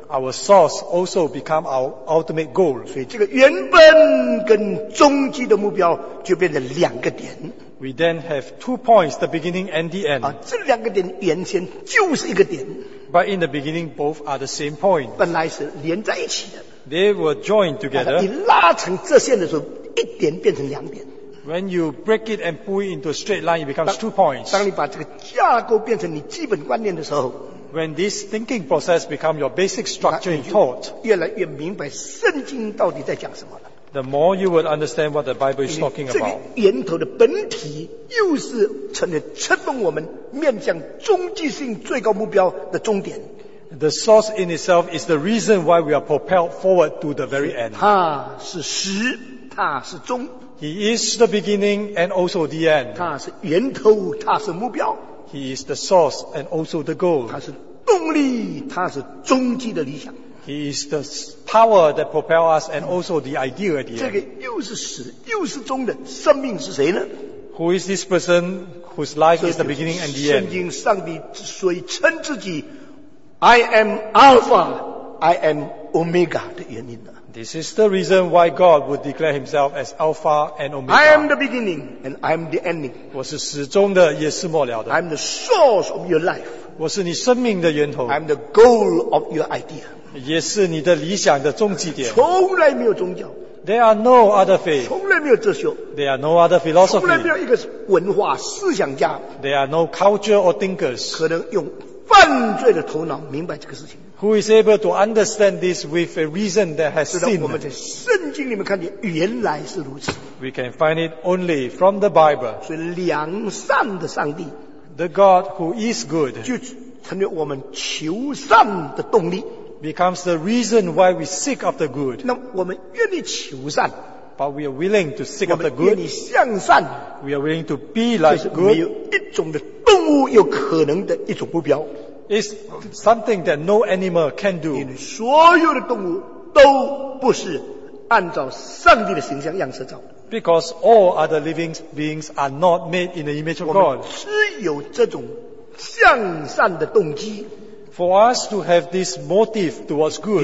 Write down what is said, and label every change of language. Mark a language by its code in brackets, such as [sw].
[en] Our source also become our ultimate goal. [zh] 所以这个原本跟终极的目标就变成两个点。 [en] We then have 2 points, the beginning and the end. [zh] 这两个点原先就是一个点。But [en] in the beginning, both are the same point. [zh] 本来是连在一起的。They [en] were joined together. [zh] 你拉成这线的时候，一点变成两点。 [en] When you break it and pull it into a straight line, it becomes 2 points. [zh] 当你把这个架构变成你基本观念的时候, [en] when this thinking process becomes your basic structure in thought, [zh] 越来越明白圣经到底在讲什么了。 [en] The more you will understand what the Bible is talking about. [zh] 这个源头的本体又是成为触动我们面向终极性最高目标的终点。 [en] The source in itself is the reason why we are propelled forward to the very end. [zh] 它是始，它是终。 [en] He is the beginning and also the end. [zh] 他是源头，他是目标。 [en] He is the source and also the goal. [zh] 他是动力，他是终极的理想。 [en] He is the power that propels us and also the idea at the end. [zh] 这个又是始又是终的生命是谁呢？ [en] Who is this person whose life is the beginning and the end? [zh] 圣经上帝之所以称自己 [en] I am Alpha, I am Omega [zh] 的原因呢？ [en] This is the reason why God would declare himself as Alpha and Omega. I am the beginning and I am the ending. [zh] 我是始终的，也是末了的。 [en] I am the source of your life. [zh] 我是你生命的源头。 [en] I am the goal of your idea. [zh] 也是你的理想的终极点。从来没有宗教。 [en] There are no other faith. [zh] 从来没有哲学。 [en] There are no other philosophy. [zh] 从来没有一个文化思想家。 [en] There are no culture or thinkers. [zh] 可能用犯罪的头脑明白这个事情。 [en] Who is able to understand this with a reason that has seen? [zh] 我们在圣经里面看见原来是如此。 [en] We can find it only from the Bible. [zh] 所以良善的上帝 [en] ，the God who is good， [zh] 就成为我们求善的动力 [en] ，becomes the reason why we seek after good。 [zh] 那我们愿意求善 [en] ，but we are willing to seek after good。 [zh] 我们愿意向善 [en] ，we are willing to be like good。 [zh] 没有一种的动物有可能的一种目标。 [en] Is something that no animal can do. [zh] 因为所有的动物都不是按照上帝的形象样式造的。 [en] Because all other living beings are not made in the image of God. [zh] 我们只有这种向善的动机。 [en] For us to have this motive towards good.